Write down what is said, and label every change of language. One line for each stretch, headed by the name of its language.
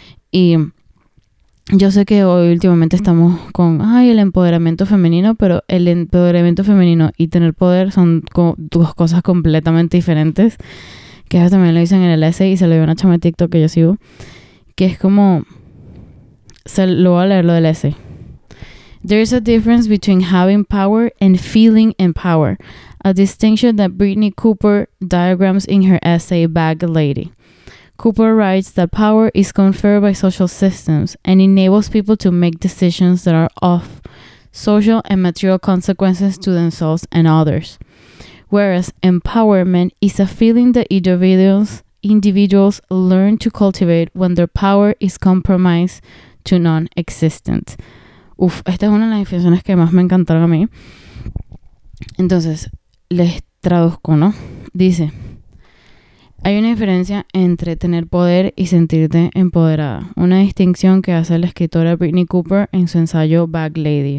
Spanish: Y yo sé que hoy últimamente estamos con, ay, el empoderamiento femenino, pero el empoderamiento femenino y tener poder son dos cosas completamente diferentes. Que eso también lo dicen en el essay y se lo dio una chama de TikTok que yo sigo. Que es como, lo voy a leer lo del essay.
English: There is a difference between having power and feeling empowered. A distinction that Britney Cooper diagrams in her essay, Bag Lady. Cooper writes that power is conferred by social systems and enables people to make decisions that are of social and material consequences to themselves and others. Whereas empowerment is a feeling that individuals learn to cultivate when their power is compromised to non-existent.
Spanish: Uf, esta es una de las definiciones que más me encantaron a mí. Entonces, les traduzco, ¿no? Dice, hay una diferencia entre tener poder y sentirte empoderada. Una distinción que hace la escritora Britney Cooper en su ensayo Bag Lady.